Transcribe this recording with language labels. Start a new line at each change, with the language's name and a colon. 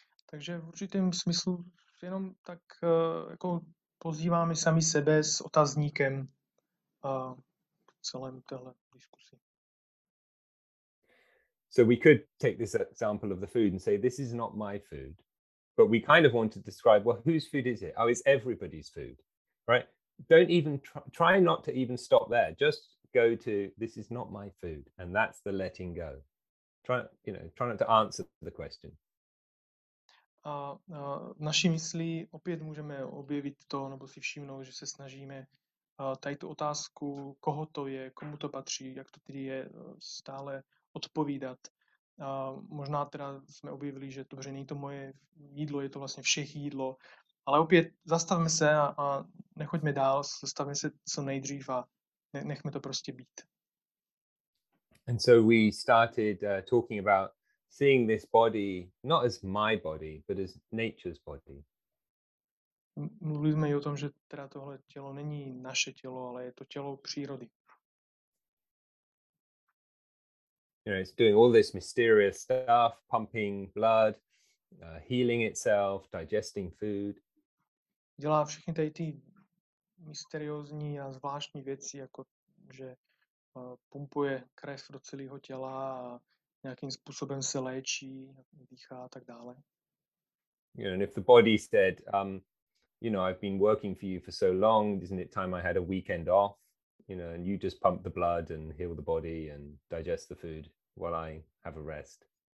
Czech: Takže v určitém smyslu jenom tak jako pozýváme sami sebe s otazníkem v celém téhle diskusi.
English: So we could take this example of the food and say, this is not my food. But we kind of want to describe, well, whose food is it? Oh, it's everybody's food, right? Don't even try not to even stop there. Just go to, this is not my food. And that's the letting go. Try not to answer the question.
Czech: A v naší mysli opět můžeme objevit to, nebo si všimnout, že se snažíme tady tu otázku, koho to je, komu to patří, jak to tedy je, stále odpovídat. A možná teda jsme objevili, že dobře, není to moje jídlo, je to vlastně všech jídlo, ale opět zastavme se a nechoďme dál, zastavme se co nejdřív a nechme to prostě být.
English: And so we started talking about seeing this body not as my body, but as nature's body.
Czech: Mluvili jsme i o tom, že teda tohle tělo není naše tělo, ale je to tělo přírody.
English: You know, it's doing all this mysterious stuff, pumping blood, healing itself, digesting food.
Czech: Dělá všechny tady ty mysteriózní a zvláštní věci, jako že pumpuje krev do celého těla a nějakým způsobem se léčí, dýchá a tak dále.
English: You know, and if the body said, you know, I've been working for you for so long, isn't it time I had a weekend off? You know, and you just pump the blood and heal the body and digest the food while I have a rest.